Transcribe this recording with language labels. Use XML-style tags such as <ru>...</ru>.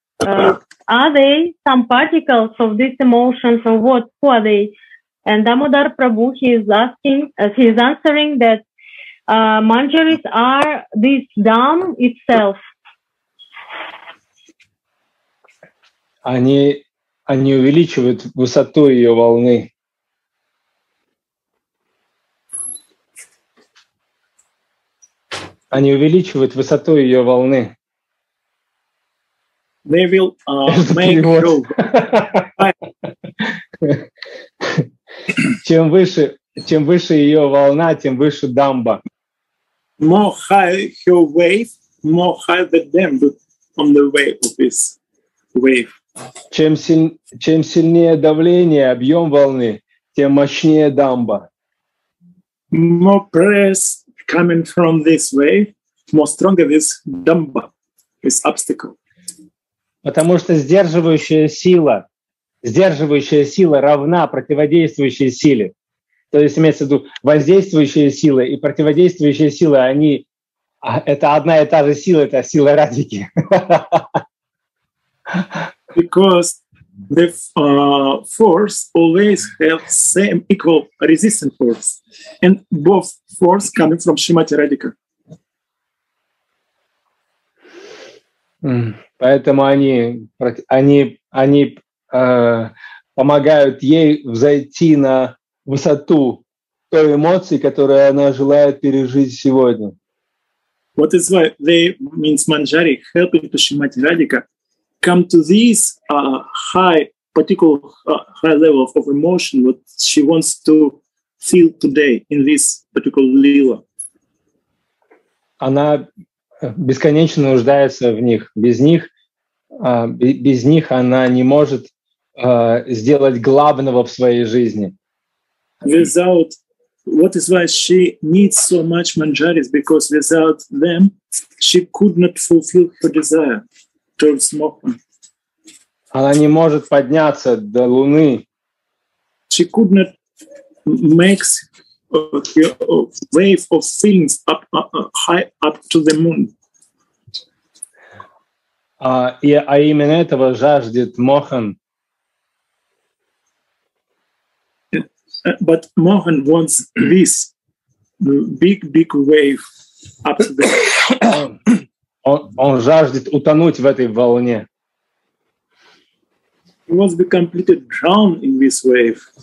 <en>Are they some particles of these emotions or what? Who are they? And Damodar Prabhu, he is answering that Manjaris are this dam itself.</en> <ru>Они увеличивают высоту ее волны. Они увеличивают высоту ее волны.</ru> <en>They will make her.</en> <ru>чем выше ее волна, тем выше дамба.</ru> <en>More high her wave, more high the dam on the way of this wave.</en> <ru>Чем сильнее давление, объем волны, тем мощнее дамба.</ru> <en>More press coming from this wave, more stronger this damba, this obstacle.</en> <ru>потому что сдерживающая сила равна противодействующей силе. То есть имеется в виду воздействующая сила и противодействующая сила, они это одна и та же сила, это сила радики.</ru> <en>Because the force always have same equal resistance force, and both force coming from Shrimati Radhika.</en> <ru>Поэтому они помогают ей взойти на высоту той эмоции, которую она желает пережить сегодня.</ru> <en>What is why they means Manjari helping to Shrimati Radhika come to this high particular high level of emotion what she wants to feel today in this particular lila.</en> <ru>Она бесконечно нуждается в них. Без них она не может сделать главного в своей жизни.</ru> <en>Without what is why she needs so much manjaris because without them she could not fulfill her desire towards mokha.</en> <ru>Она не может подняться до Луны.</ru> <en>She could not make a wave of feelings up high up to the moon.</en> <ru>А именно этого жаждет Мохан.</ru> <en>But Mohan wants this big, big wave up to the</en> <ru>он жаждет утонуть в этой волне.</ru> <en>He wants to be completely drowned in this wave.</en>